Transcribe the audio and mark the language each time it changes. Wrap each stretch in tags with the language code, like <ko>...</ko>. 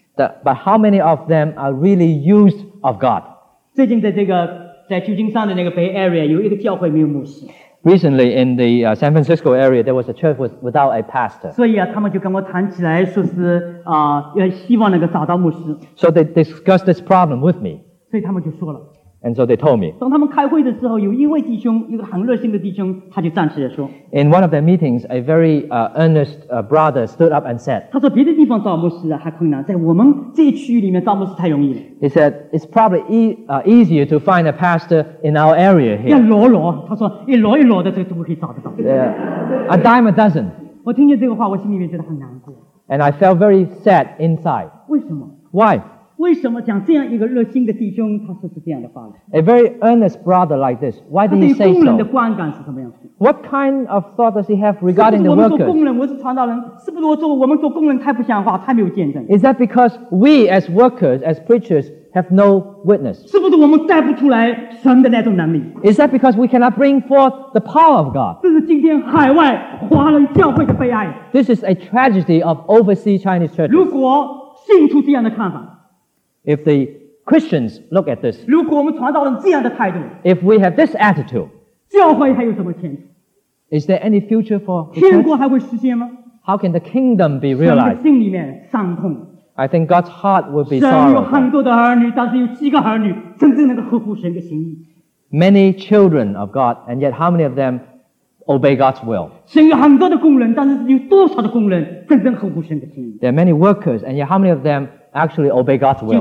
<en>But how many of them are really used of God?</en> <zh>最近在旧金山的那个Bay Area有一个教会没有牧师。</zh> <en>Recently in the San Francisco area, there was a church without a pastor.</en> <zh>所以啊,他们就跟我谈起来说是希望能够找到牧师。</zh> <en>So they discussed this problem with me.</en> <zh>所以他们就说了。</zh> <en>And so they told me.</en> <zh>当他们开会的时候,有一位弟兄,一个很热心的弟兄, 他就站起来说。</zh> <en>In one of their meetings, a very earnest brother stood up and said,</en> <zh>他说别的地方找牧师还困难,在我们这区域里面找牧师太容易了。</zh> <en>He said, it's probably easier to find a pastor in our area here.</en> <zh>要罗罗,他说一罗一罗的这个都可以找得到。</zh> <en>Yeah, a dime a dozen.</en> <zh>我听见这个话,我心里面觉得很难过。</zh> <en>And I felt very sad inside.</en> <zh>为什么?</zh> <en>Why?</en> <zh>为什么讲这样一个热心的弟兄,</zh> <en>a very earnest brother like this, why did he say so?</en> <zh>他对工人的观感是什么样子?</zh> <en>What kind of thought does he have regarding the workers?</en> <zh>是不是我们做工人,我是传道人, 是不是我们做工人太不像话, 太没有见证?</zh> <en>Is that because we as workers, as preachers, have no witness?</en> <zh>是不是我们带不出来神的那种能力?</zh> <en>Is that because we cannot bring forth the power of God?</en> <zh>这是今天海外华人教会的悲哀。</zh> <en>This is a tragedy of overseas Chinese churches.</en> <zh>如果信徒这样的看法,</zh> <en>if the Christians look at this,</en> <zh>如果我们传道人这样的态度,</zh> <en>if we have this attitude,</en> <zh>教会还有什么前途?</zh> <en>Is there any future for the church?</en> <zh>天国还会实现吗?</zh> <en>How can the kingdom be realized?</en> <zh>神的心里面伤痛,</zh> <en>I think God's heart will be sorrowful. Many children of God, and yet how many of them obey God's will?</en> <zh>神有很多的工人, 但是有多少的工人, 真正合乎神的心意?</zh> <en>There are many workers, and yet how many of them actually obey God's will?</en>